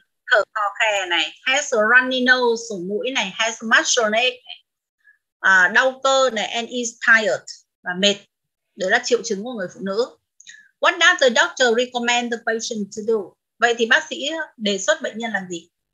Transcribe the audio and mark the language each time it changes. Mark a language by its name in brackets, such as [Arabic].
[Vietnamese] Thở khò khè này, [English] has a runny nose, [Vietnamese] sổ mũi này, [English] has a muscle ache [Vietnamese] này, đau cơ này, [English] and is tired, [Vietnamese] và mệt. Đấy là triệu chứng của người phụ nữ. [English] What does the doctor recommend the patient to do? [Vietnamese] Vậy thì bác sĩ đề xuất bệnh nhân làm gì?